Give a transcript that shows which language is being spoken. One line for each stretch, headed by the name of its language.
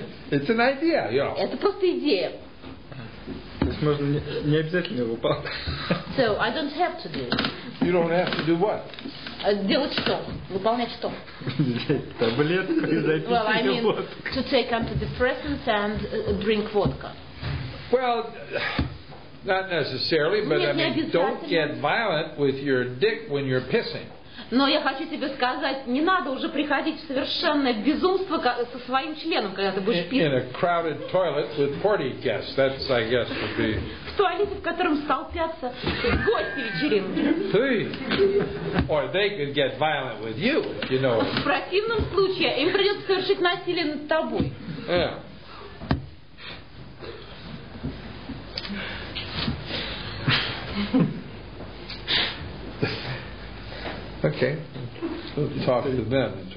English: It's an idea, you know.
Russian: Это просто идея. Можно не обязательно выполнять.
English: So I don't have to do. You don't have to do what?
Russian: Делать что? Выполнять что? Таблетку и запить водку.
English: Well, I mean, to take antidepressants and drink vodka. Well, not necessarily, but I mean, don't get violent with your dick when you're pissing.
Russian: Но я хочу тебе сказать, не надо уже приходить в совершенное безумство со своим членом, когда ты будешь писать.
English: In a crowded toilet with 40 guests, that's, I guess, would be.
Russian: В туалете, в котором столпятся гости вечеринки.
English: Hey. Or they could get violent with you, if you know.
Russian: В противном случае им придется совершить насилие над тобой.
English: Okay, let's talk to them.